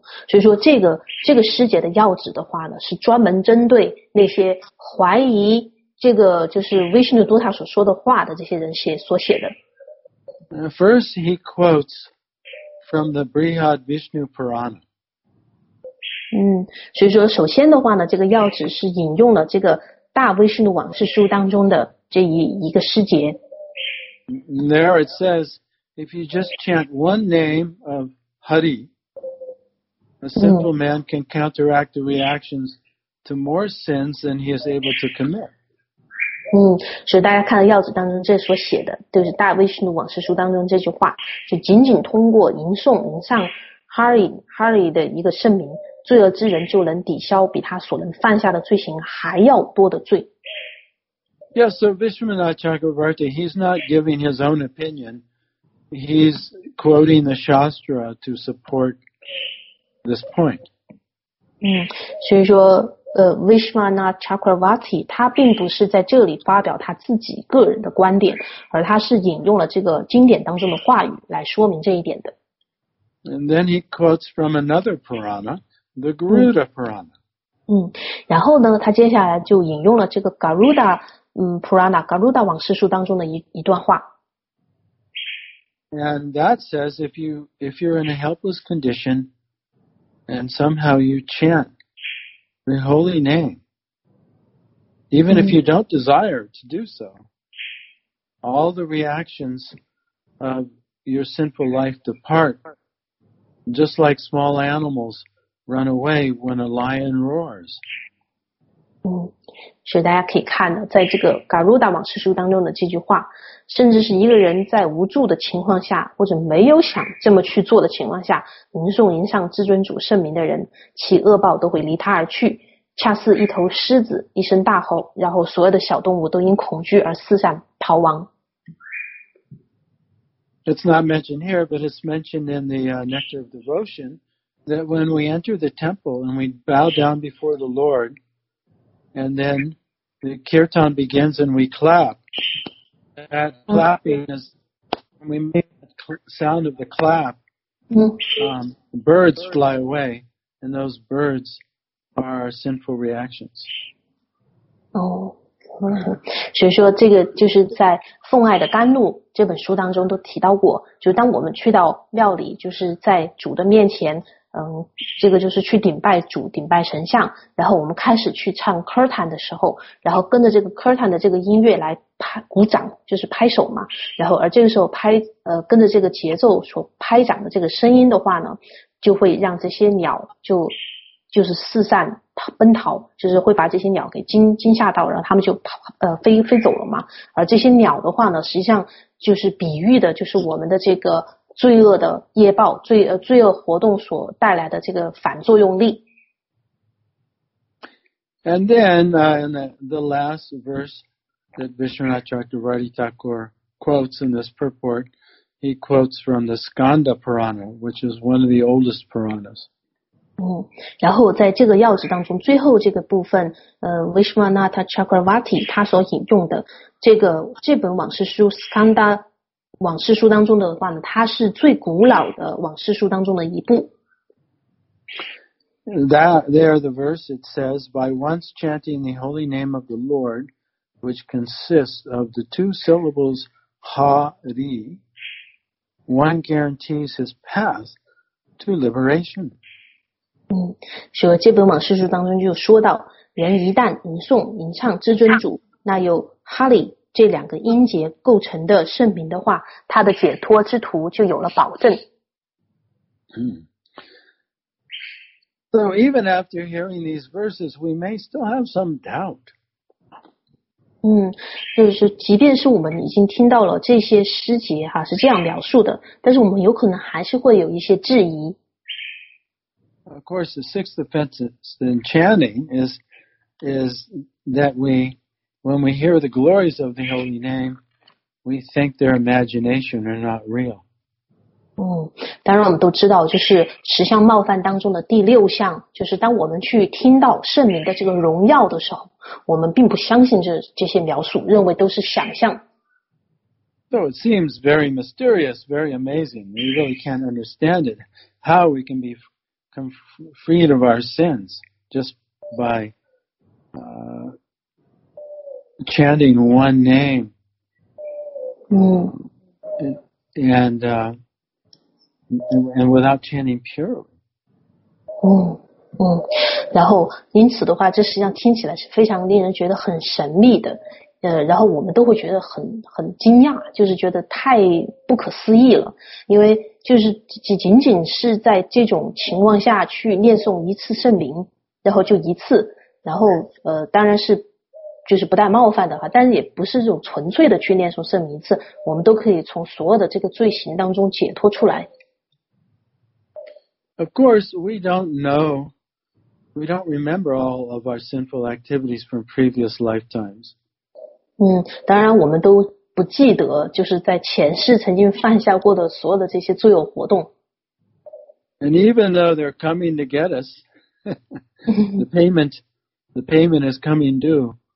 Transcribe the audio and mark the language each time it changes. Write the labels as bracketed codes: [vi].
[zh] 所以说这个诗节的要旨的话呢，是专门针对那些怀疑这个就是 Vishnu Dutta 所说的话的这些人所写的。 [en] First, he quotes from the Brihad Vishnu Purana. [zh] 所以说首先的话呢，这个要旨是引用了这个大威士努往事书当中的这一个诗节。 [en] There it says, if you just chant one name of Hari, a simple man can counteract the reactions to more sins than he is able to commit. [zh] 所以大家看到要旨当中这所写的，就是大威士努往事书当中这句话，就仅仅通过吟诵 Hari 的一个圣名，罪恶之人就能抵消比他所能犯下的罪行还要多的罪。 [en] Yes, so Vishwanath Chakravarti, he's not giving his own opinion. He's quoting the Shastra to support this point. [zh] 所以说Vishwanath Chakravarti 他并不是在这里发表他自己个人的观点，而他是引用了这个经典当中的话语来说明这一点的。 [en] And then he quotes from another Purana, the Garuda Purana. [zh] 然后呢，他接下来就引用了这个 Garuda Purana, Garuda 往事书当中的一段话。 [en] And that says if you're in a helpless condition and somehow you chant the holy name, even if you don't desire to do so, all the reactions of your sinful life depart, just like small animals run away when a lion roars. [zh] 所以大家可以看到，在这个《Garuda 往事书》当中的这句话，甚至是一个人在无助的情况下，或者没有想这么去做的情况下，吟诵至尊主圣名的人，其恶报都会离他而去。恰似一头狮子一声大吼，然后所有的小动物都因恐惧而四散逃亡。 [en] It's not mentioned here, but it's mentioned in the Nectar of Devotion that when we enter the temple and we bow down before the Lord, and then the kirtan begins and we clap, that clapping is, when we make the sound of the clap, birds fly away, and those birds. Are sinful reactions. [zh] 所以说这个就是在《奉爱的甘露》这本书当中都提到过，就是当我们去到庙里，就是在主的面前，这个就是去顶拜主、顶拜神像，然后我们开始去唱 Kirtan 的时候，然后跟着这个 Kirtan 的这个音乐来拍鼓掌，就是拍手嘛。然后而这个时候拍跟着这个节奏所拍掌的这个声音的话呢，就会让这些鸟就是四散奔逃，就是会把这些鸟给惊吓到，然后他们就飞走了嘛。而这些鸟的话呢，实际上就是比喻的，就是我们的这个罪恶的业报，罪恶活动所带来的这个反作用力。 [en] And then in the last verse that Vishwanathacharya Thakur quotes in this purport, he quotes from the Skanda Purana, which is one of the oldest Puranas. [zh] 然后在这个要旨当中，最后这个部分，Vishwanathacharya 他所引用的这本往事书 Skanda。往事书当中的话呢，它是最古老的往事书当中的一部。 [en] There the verse it says, by once chanting the holy name of the Lord, which consists of the two syllables Ha-Ri, one guarantees his path to liberation. [zh] 所以这本往事书当中就说到，人一旦吟唱至尊主，那有哈利这两个音节构成的圣名的话，它的解脱之途就有了保证。 [en] So even after hearing these verses, we may still have some doubt. [zh] 就是即便是我们已经听到了这些诗节哈，是这样描述的，但是我们有可能还是会有一些质疑。 [en] Of course, the sixth offense in chanting is that when we hear the glories of the holy name, we think their imagination are not real. [zh] 当然我们都知道，就是十相冒犯当中的第六项，就是当我们去听到圣名的这个荣耀的时候，我们并不相信这些描述，认为都是想象。 [en] So it seems very mysterious, very amazing. We really can't understand it. How we can be freed of our sins just by chanting one name, and without chanting purely. [zh] 然后因此的话，这实际上听起来是非常令人觉得很神秘的，然后我们都会觉得很惊讶，就是觉得太不可思议了，因为就是仅仅是在这种情况下去念诵一次圣名，然后就一次，然后当然是。就是不带冒犯的话，但是也不是这种纯粹的去念诵圣名次，我们都可以从所有的这个罪行当中解脱出来。 [en] Of course, we don't know, we don't remember all of our sinful activities from previous lifetimes. [zh] 当然我们都不记得，就是在前世曾经犯下过的所有的这些罪恶活动。 [en] And even though they're coming to get us, the payment is coming due.